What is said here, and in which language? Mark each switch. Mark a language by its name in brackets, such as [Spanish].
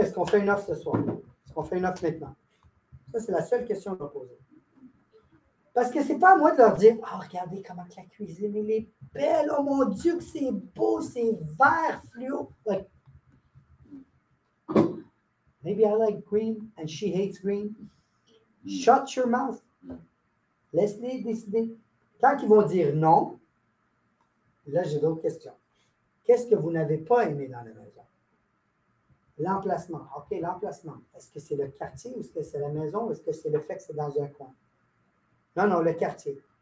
[French] Est-ce qu'on fait une offre ce soir? Est-ce qu'on fait une offre maintenant? Ça, c'est la seule question qu'on va poser. Parce que ce n'est pas à moi de leur dire, « Oh, regardez comment la cuisine elle est belle. Oh, mon Dieu, que c'est beau. C'est vert fluo. [English] Like, » Maybe I like green and she hates green. Shut your mouth. [French] Laisse-les décider. Quand ils vont dire non, là, j'ai d'autres questions. Qu'est-ce que vous n'avez pas aimé dans la maison? L'emplacement. OK, l'emplacement. Est-ce que c'est le quartier ou est-ce que c'est la maison ou est-ce que c'est le fait que c'est dans un coin? Non, non, le quartier.